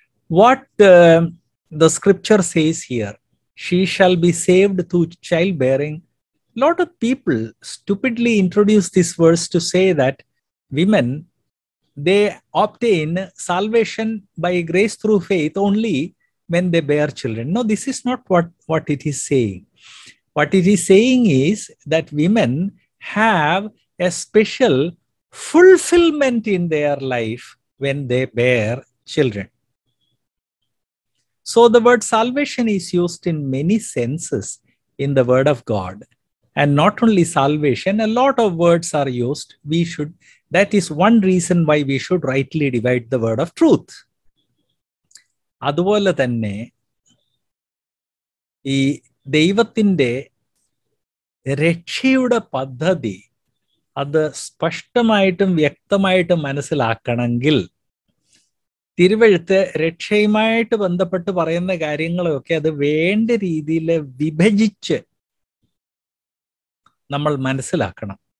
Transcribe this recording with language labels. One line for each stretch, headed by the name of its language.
English: What the scripture says here, she shall be saved through child bearing. Lot of people stupidly introduce this words to say that women they obtain salvation by grace through faith only when they bear children. No, this is not what it is saying. What it is saying is that women have a special fulfillment in their life when they bear children. So the word salvation is used in many senses in the word of God. And not only salvation, a lot of words are used. That is one reason why we should rightly divide the word of truth.
Malayalam: അതുപോലെ തന്നെ ഈ ദൈവത്തിന്റെ രക്ഷയുടെ പദ്ധതി അത് സ്പഷ്ടമായിട്ടും വ്യക്തമായിട്ടും മനസ്സിലാക്കണമെങ്കിൽ തിരുവെഴുത്ത് രക്ഷയുമായിട്ട് ബന്ധപ്പെട്ട് പറയുന്ന കാര്യങ്ങളൊക്കെ അത് വേണ്ട രീതിയിൽ വിഭജിച്ച് നമ്മൾ മനസ്സിലാക്കണം.